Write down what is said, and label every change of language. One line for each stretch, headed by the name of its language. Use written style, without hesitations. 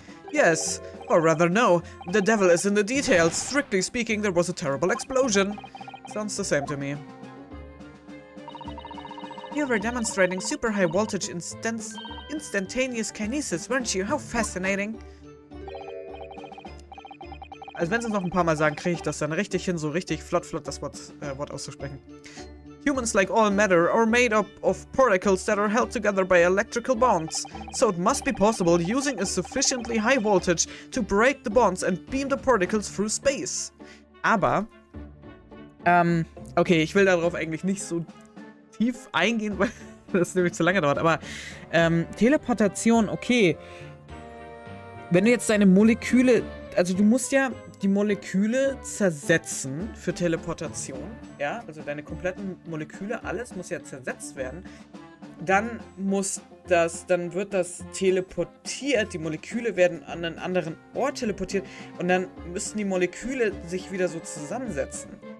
English: Yes, or rather no, the devil is in the details. Strictly speaking, there was a terrible explosion. Sounds the same to me. You were demonstrating super high voltage instantaneous kinesis, weren't you? How fascinating.
German: Also wenn sie es noch ein paar Mal sagen, kriege ich das dann richtig hin, so richtig flott das Wort auszusprechen.
English: Humans, like all matter, are made up of particles that are held together by electrical bonds. So it must be possible, using a sufficiently high voltage, to break the bonds and beam the particles through space.
German: Aber, okay, ich will darauf eigentlich nicht so tief eingehen, weil das nämlich zu lange dauert. Aber, Teleportation, okay. Wenn du jetzt deine Moleküle, also du musst ja die Moleküle zersetzen für Teleportation, ja, also deine kompletten Moleküle, alles muss ja zersetzt werden, dann wird das teleportiert, die Moleküle werden an einen anderen Ort teleportiert und dann müssen die Moleküle sich wieder so zusammensetzen.